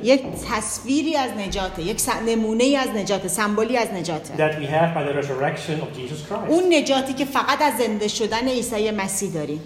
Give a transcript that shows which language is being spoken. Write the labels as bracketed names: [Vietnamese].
[Persian] یک تصویری از نجاته، یک نمونه از نجاته، سمبولی از نجاته. [English] That we have by the resurrection of Jesus Christ. [Persian] اون نجاتی که فقط از زنده شدن عیسی مسیح داریم.